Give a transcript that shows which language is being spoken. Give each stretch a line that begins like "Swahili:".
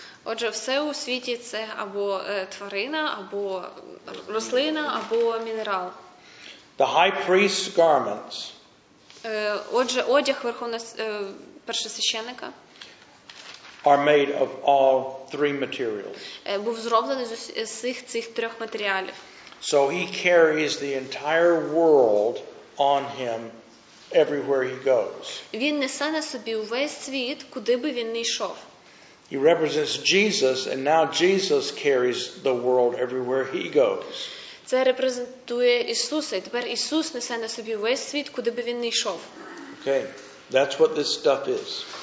Ukrainian: Отже, все у світі це або тварина, або рослина, або мінерал.
English: The high priest's garments.
Ukrainian: Отже, одяг першосвященика.
English: Are made of all three materials.
Ukrainian: Був зроблений з усіх цих трьох матеріалів.
English: So he carries the entire world on him. Everywhere he goes.
Ukrainian: Він несе на собі увесь світ, куди би він не йшов.
English: He represents Jesus, and now Jesus carries the world everywhere he goes.
Ukrainian: Це репрезентує Ісуса, і тепер Ісус несе на собі весь світ, куди би він не йшов.
English: Okay, that's what this stuff is.